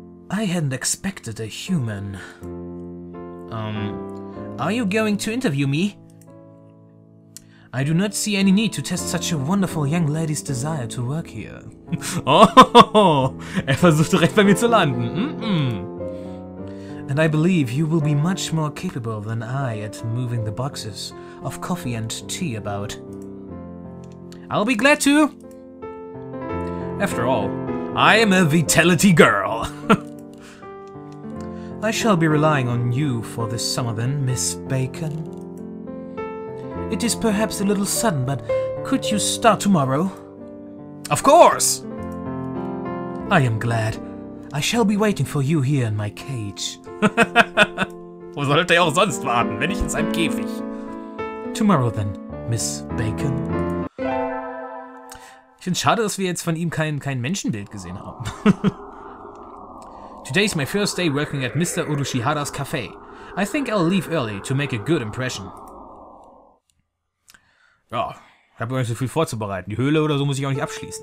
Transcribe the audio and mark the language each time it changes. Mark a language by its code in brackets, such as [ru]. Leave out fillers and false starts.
[en] I hadn't expected a human. Are you going to interview me? I do not see any need to test such a wonderful young lady's desire to work here. [de] Oh, er versucht direkt bei mir zu landen. [en] And I believe you will be much more capable than I at moving the boxes of coffee and tea about. I'll be glad to. After all, I am a vitality girl. I shall be relying on you for this summer then, Miss Bacon. It is perhaps a little sudden, but could you start tomorrow? Of course! I am glad. I shall be waiting for you here in my cage. [de] Wo sollte er auch sonst warten, wenn nicht in seinem Käfig? [en] Tomorrow then, Miss Bacon. [de] Ich finde es schade, dass wir jetzt von ihm kein Menschenbild gesehen haben. [en] Today is my first day working at Mr. Urushihara's cafe. I think I'll leave early to make a good impression. [de] Ja, ich habe gar nicht so viel vorzubereiten. Die Höhle oder so muss ich auch nicht abschließen.